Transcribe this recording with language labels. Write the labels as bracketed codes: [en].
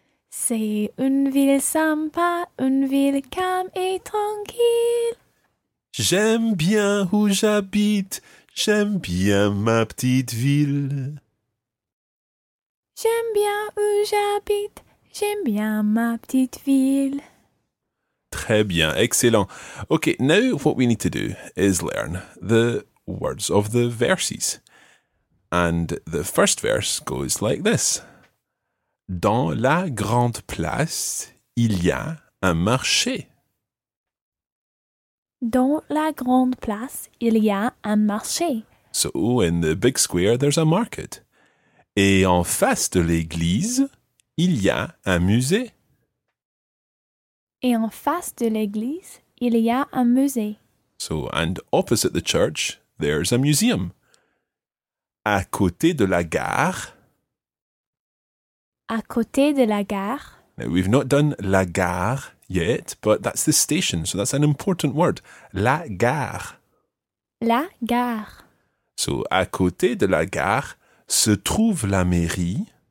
[fr] C'est une ville sympa, une ville calme et tranquille. J'aime bien où j'habite, j'aime bien ma petite ville. J'aime bien où j'habite, j'aime bien ma petite ville. Très bien, excellent. [en] OK, now what we need to do is learn the words of the verses. And the first verse goes like this. [fr] Dans la grande place, il y a un marché. Dans la grande place, il y a un marché. [en] So, in the big square, there's a market. [fr] Et en face de l'église, il y a un musée. Et en face de l'église, il y a un musée. [en] So, and opposite the church, there's a museum. [fr] À côté de la gare. À côté de la gare. [en] Now, we've not done la gare yet, but that's the station, so that's an important word. [fr] La gare. La gare. So, à côté de la gare se trouve la mairie.